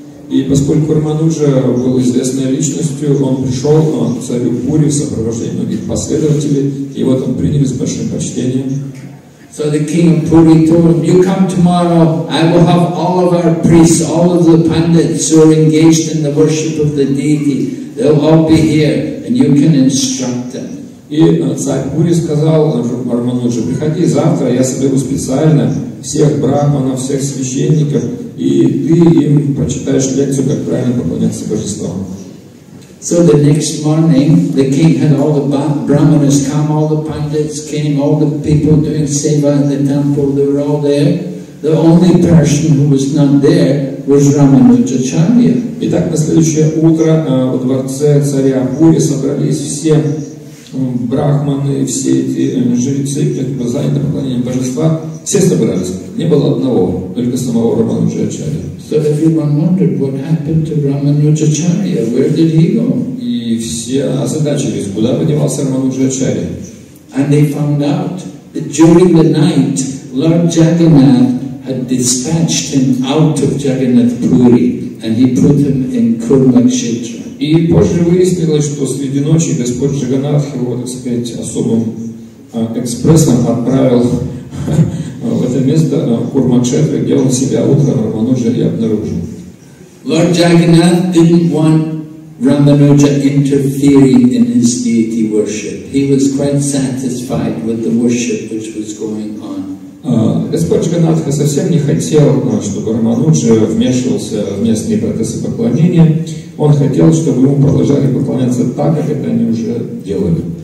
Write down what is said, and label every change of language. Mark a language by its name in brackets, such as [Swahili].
[Russian] И поскольку Рамануджа был известной личностью, он пришел к царю Пури в сопровождении многих последователей, и вот он принял с большим почтением. [English] So the king of Puri told him, you come tomorrow, I will have all of our priests, all of the pandits who are engaged in the worship of the deity. They'll all be here, and you can instruct them. [Russian] И царь Пури сказал Рамануджа, приходи завтра, я соберу специально всех брахманов, всех священников, и ты им прочитаешь лекцию, как правильно поклоняться божествам. [English] So the next morning, the king had all the brahmanas come, all the pandits came, all the people doing seva in the temple, they were all there. The only person who was not there was Рамануджачарья. [Russian] Итак, на следующее утро в дворце царя Пури собрались все брахманы, все эти жрецы, которые заняты поклонением божества. Все собрались. Не было одного, только самого Рамануджачарья. [English] So everyone wondered what happened to Рамануджачарья. Where did he go? [Russian] И все озадачились, куда подевался Рамануджачарья. [English] And they found out that during the night Lord Jagannath had dispatched him out of Jagannath Puri and he put him in Kurukshetra. [Russian] И позже выяснилось, что среди ночи Господь Джаганнатх его, так сказать, особым экспрессом отправил в это место Курмакшетра, где он себя утром Рамануджа обнаружил. [English] Lord Jagannath didn't want Рамануджа interfering in his deity worship. He was quite satisfied with the worship which was going on. [Russian] Господь Джаганнатха совсем не хотел, чтобы Рамануджа вмешивался в местные процессы поклонения. Он хотел, чтобы ему продолжали поклоняться так, как это они уже делали.